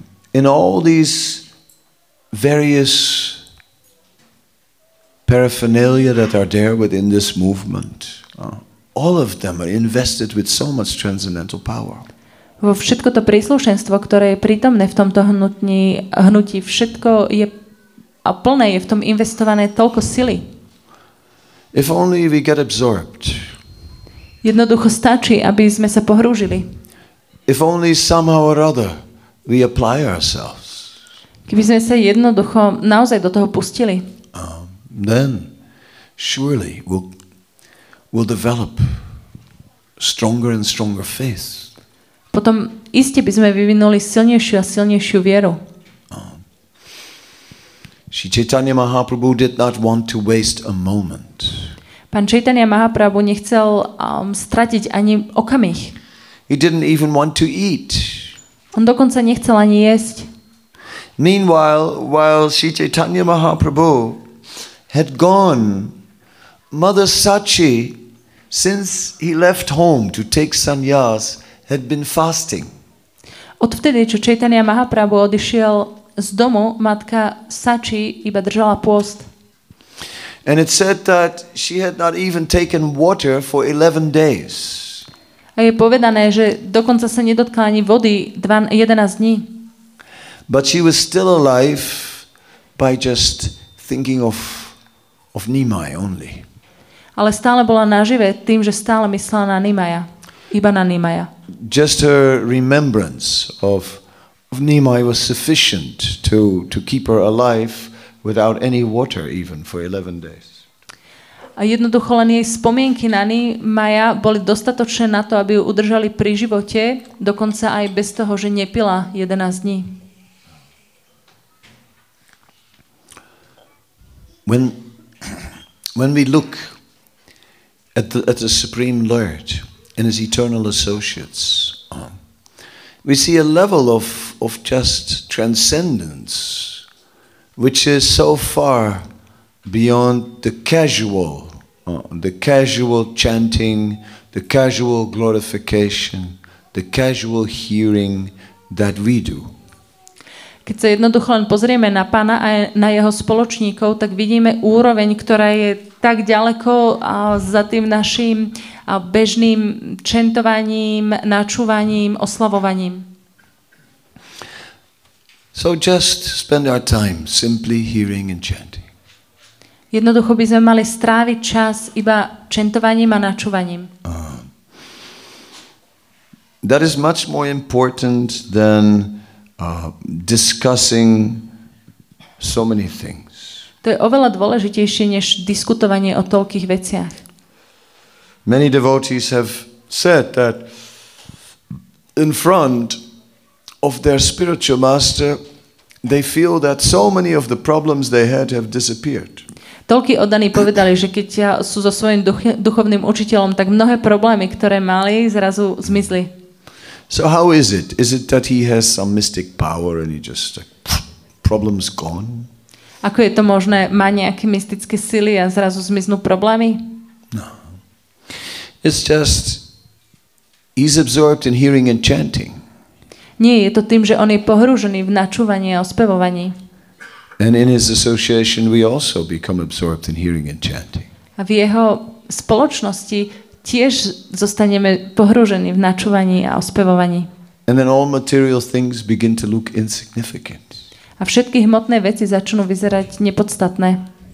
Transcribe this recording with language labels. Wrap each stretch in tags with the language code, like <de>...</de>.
<en>In all these various paraphernalia that are there within this movement, all of them are invested with so much transcendental power.</en> <sk>Vo všetko to príslušenstvo, ktoré je prítomné v tomto hnutí, všetko je a plné je v tom investované toľko sily.</sk> <en>If only we get absorbed.</en> <sk>Jednoducho stačí, aby sme sa pohrúžili.</sk> <en>If only somehow or other we apply ourselves.</en> <sk>Keby sme sa jednoducho naozaj do toho pustili.</sk> <en>Then surely we'll develop stronger and stronger faith.</en> <sk>Potom iste by sme vyvinuli silnejšiu a silnejšiu vieru.</sk> <en>Sri Chaitanya Mahaprabhu did not want to waste a moment.</en> <sk>Pán Chaitanya Mahaprabhu nechcel stratiť ani okamih.</sk> <en>He didn't even want to eat.</en> <sk>On dokonca nechcel ani jesť.</sk> <en>Meanwhile, while Sri Chaitanya Mahaprabhu had gone, Mother Sachi, since he left home to take sannyas, had been fasting.</en> <sk>Odvtedy, čo Chaitanya Mahaprabhu odišiel z domu, matka Sachi iba držala pôst.</sk> <en>And it said that she had not even taken water for 11 days.</en> <sk>A je povedané, že dokonca sa nedotkla ani vody 11 dní.</sk> <en>But she was still alive by just thinking of Nimai only.</en> <sk>Ale stále bola nažive tým, že stále myslela na Nimaya. Iba na Nimaya.</sk> <en>Just her remembrance of Nimai was sufficient to keep her alive without any water even for 11 days.</en> <sk>A jednoducho len jej spomienky na Nimaya boli dostatočné na to, aby ju udržali pri živote, dokonca aj bez toho, že nepila 11 dní.</sk> <en>When we look at the Supreme Lord and his eternal associates, we see a level of just transcendence which is so far beyond the casual chanting, the casual glorification, the casual hearing that we do.</en> <sk>Keď sa jednoducho len pozrieme na Pána a na jeho spoločníkov, tak vidíme úroveň, ktorá je tak ďaleko za tým našim bežným čentovaním, načúvaním, oslavovaním.</sk> <en>So just spend our time simply hearing and chanting.</en> <sk>Jednoducho by sme mali stráviť čas iba čentovaním a načúvaním.</sk> <en>That is much more important than discussing so many things.</en> <sk>To je oveľa dôležitejšie než diskutovanie o toľkých veciach.</sk> <en>Many devotees have said that in front of their spiritual master they feel that so many of the problems they had have disappeared.</en> <sk>Toľkí oddaní povedali, že keď sú so svojím duchovným učiteľom, tak mnohé problémy, ktoré mali, zrazu zmizli.</sk> <en>So how is it? Is it that he has some mystic power and he just problems gone?</en> <sk>Ako je to možné, má nejaké mystické sily a zrazu zmiznú problémy?</sk> <en>No. It's just he's absorbed in hearing and chanting.</en> <sk>Nie, je to tým, že on je pohrúžený v načúvaní a ospevovaní.</sk> <en>And in his association we also become absorbed in hearing and chanting.</en> <sk>A v jeho spoločnosti tiež zostaneme pohrúžení v načúvaní a ospevovaní.</sk> <en>And then all material things begin to look insignificant.</en> <sk>A všetky hmotné veci začnú vyzerať nepodstatné.</sk>